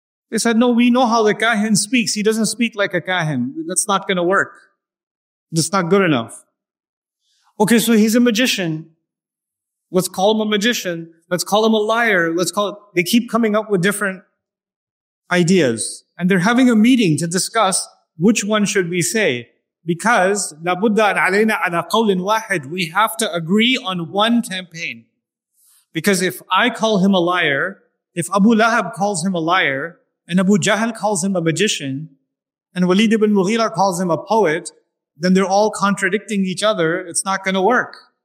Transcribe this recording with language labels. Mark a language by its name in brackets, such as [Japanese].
[English] They said, no, we know how the kahin speaks. He doesn't speak like a kahin. That's not going to work. That's not good enough. Okay, so he's a magician. Let's call him a magician. Let's call him a liar. They keep coming up with different ideas. And they're having a meeting to discuss which one should we say. Because [Arabic] لَبُدَّ أَنْ عَلَيْنَا عَلَىٰ قَوْلٍ وَاحِدٍ. [English] We have to agree on one campaign. Because if I call him a liar, if Abu Lahab calls him a liar, and Abu Jahl calls him a magician, and Walid ibn Mughira calls him a poet, then they're all contradicting each other. It's not going to work.